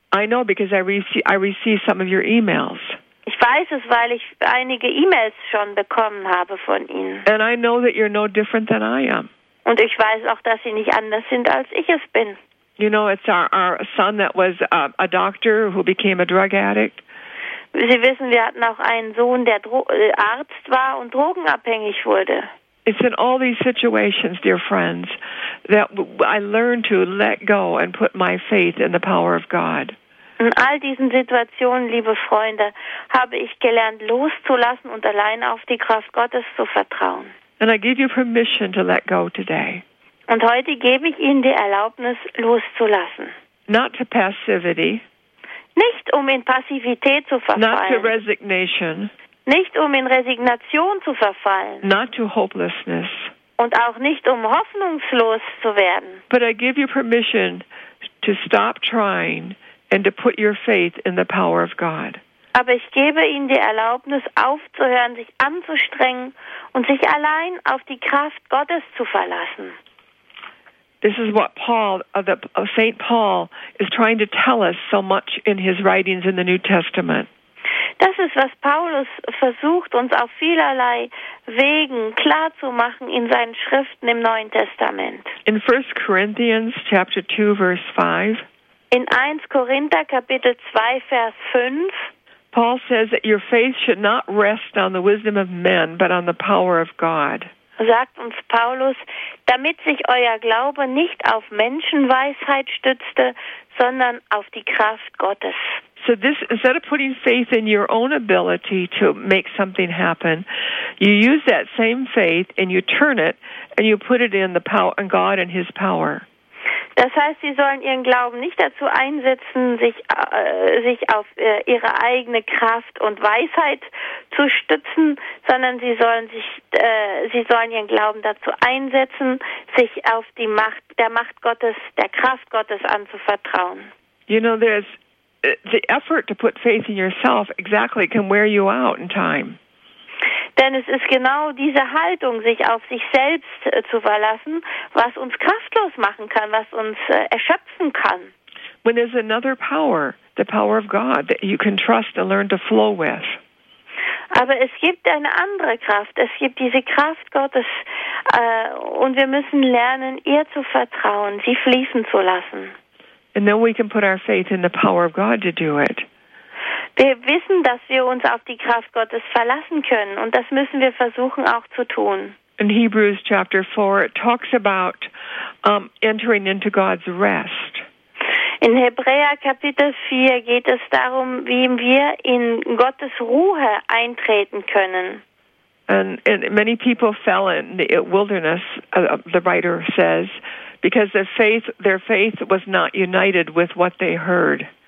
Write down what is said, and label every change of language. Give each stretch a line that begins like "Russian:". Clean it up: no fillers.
English: I know because I receive some of your emails.
German: Ich weiß es, weil ich einige E-Mails schon bekommen habe von Ihnen.
English: And I know that you're no different than I am.
German: Und ich weiß auch, dass Sie nicht anders sind, als ich es bin.
English: You know, it's our son that was a doctor who became a drug addict.
German: Sie wissen, wir hatten auch einen Sohn, der Arzt war und drogenabhängig wurde.
English: It's in all these situations, dear friends, that I learned to let go and put my faith in the power of God.
German: In all diesen Situationen, liebe Freunde, habe ich gelernt, loszulassen und allein auf die Kraft Gottes zu vertrauen.
English: And I give you permission to let go today.
German: Und heute gebe ich Ihnen die Erlaubnis, loszulassen.
English: Not to passivity.
German: Nicht um in Passivität zu verfallen.
English: Not to resignation.
German: Nicht um in Resignation zu verfallen.
English: Not to hopelessness.
German: Und auch nicht um hoffnungslos zu werden.
English: But I give you permission to stop trying. And to put your faith in the power of God.
German: Aber ich gebe Ihnen die Erlaubnis, aufzuhören, sich anzustrengen und sich allein auf die Kraft Gottes zu verlassen.
English: This is what Saint Paul is trying to tell us so much in his writings in the New Testament.
German: Das ist, was Paulus versucht, uns auf vielerlei Wegen klar zu machen in seinen Schriften im Neuen Testament.
English: In 1 Corinthians chapter 2 verse 5.
German: In 1 Korinther Kapitel 2 Vers 5
English: Paul says that your faith should not rest on the wisdom of men but on the power of God.
German: Sagt uns Paulus, damit sich euer Glaube nicht auf Menschenweisheit stützte, sondern auf die Kraft Gottes.
English: So this, instead of putting faith in your own ability to make something happen, you use that same faith and you turn it and you put it in the power and God and his power.
German: Das heißt, sie sollen ihren Glauben nicht dazu einsetzen, sich auf ihre eigene Kraft und Weisheit zu stützen, sondern sie sollen ihren Glauben dazu einsetzen, sich auf die Macht der Macht Gottes, der Kraft Gottes anzuvertrauen.
English: You know, there's the effort to put faith in yourself exactly can wear you out in time.
German: Denn es ist genau diese Haltung, sich auf sich selbst zu verlassen, was uns kraftlos machen kann, was uns erschöpfen kann.
English: When there's another power, the power of God, that you can trust and learn to flow with.
German: Aber es gibt eine andere Kraft. Es gibt diese Kraft Gottes, und wir müssen lernen, ihr zu vertrauen, sie fließen zu lassen.
English: And then we can put our faith in the power of God to do it.
German: Wir wissen, dass wir uns auf die Kraft Gottes verlassen können, und das müssen wir versuchen auch zu tun.
English: In Hebrews chapter 4 it talks about entering into God's rest.
German: In Hebräer Kapitel 4 geht es darum, wie wir in Gottes Ruhe eintreten können.
English: And many people fell in the wilderness, the writer says, because their faith was not united with what they heard.